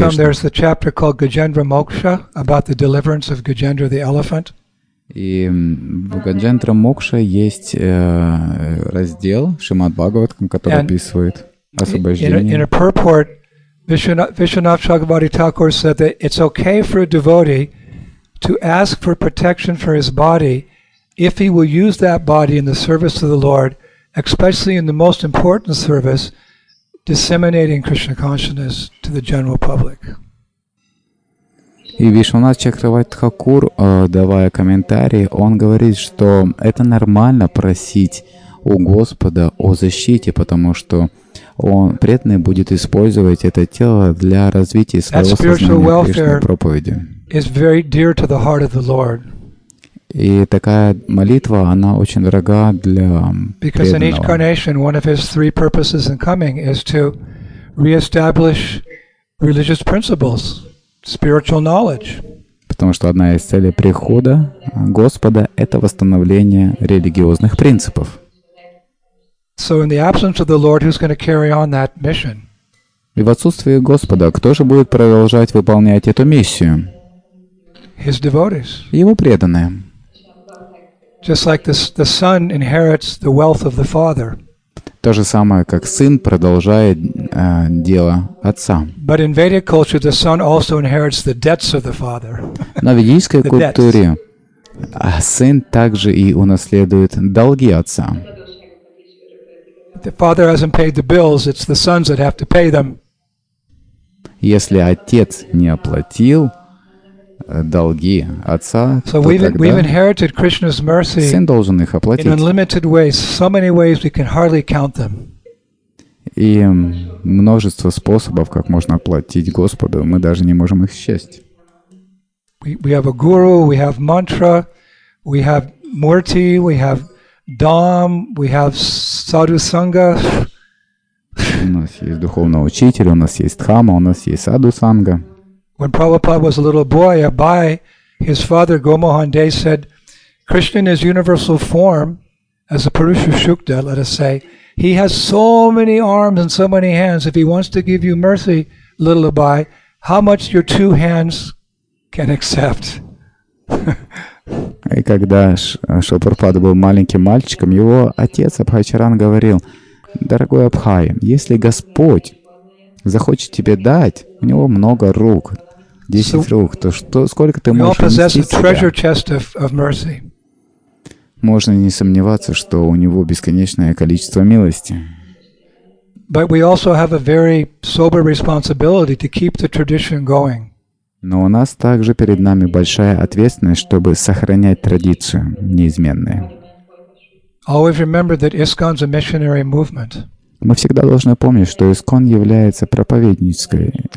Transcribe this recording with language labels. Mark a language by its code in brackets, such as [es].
[en] In the Bhagavatam, there's the chapter called Gajendra Moksha about the deliverance of Gajendra the elephant. [ru] И в Гаджендра Мокша есть раздел Шримад Бхагаватам, который описывает освобождение. [en] In a purport, Vishwanath Chakravarti Thakur said that it's okay for a devotee to ask for protection for his body. if he will use that body in the service of the Lord, especially in the most important service, disseminating Krishna consciousness to the general public. [ru] И Вишванат Чакраватхакур, давая комментарии, он говорит, что это нормально просить у Господа о защите, потому что он преданный будет использовать это тело для развития своего сознания и проповеди. [en] Is very dear to the heart of the Lord. [ru] И такая молитва, она очень дорога для преданного. [en] Because in each incarnation, one of his three purposes in coming is to reestablish religious principles. Spiritual knowledge. [ru] Потому что одна из целей прихода Господа — это восстановление религиозных принципов. [en] So in the absence of the Lord, who's going to carry on that mission? [ru] И в отсутствие Господа, кто же будет продолжать выполнять эту миссию? [en] His devotees. [ru] Его преданные. [en] Just like the son inherits the wealth of the father. [ru] То же самое, как сын продолжает дело отца. [en] But in Vedic culture, the son also inherits the debts of the father. [ru] Но в ведической культуре сын также и унаследует долги отца. [en] The father hasn't paid the bills; it's the sons that have to pay them. [ru] Если отец не оплатил долги отца, [en] so we've inherited Krishna's mercy [ru] сын должен их оплатить. [en] In unlimited ways, so many ways we can hardly count them. [ru] И множество способов, как можно оплатить Господу, мы даже не можем их счесть. [en] We have a guru, we have mantra, we have murti, we have dham, we have sadhu sangha. [ru] У нас есть духовный учитель, у нас есть дхама, у нас есть саду санга. [en] When Prabhupada was a little boy, Abai, his father, Gomohan Das, said, Krishna in his universal form, as a Purusha Shukta, let us say, he has so many arms and so many hands. If he wants to give you mercy, little Abai, how much your two hands can accept? [ru] И когда Шопарпада был маленьким мальчиком, его отец Абхайчаран говорил, дорогой Абхай, если Господь захочет тебе дать, у него много рук. Десять рук, то что, сколько ты можешь нести? Можно не сомневаться, что у него бесконечное количество милости. [en] But we also have a very sober responsibility to keep the tradition going. [ru] Но у нас также перед нами большая ответственность, чтобы сохранять традицию неизменную. [en] Always remember that ISKCON's a missionary movement. [ru] Мы всегда должны помнить, что ИСККОН является проповеднической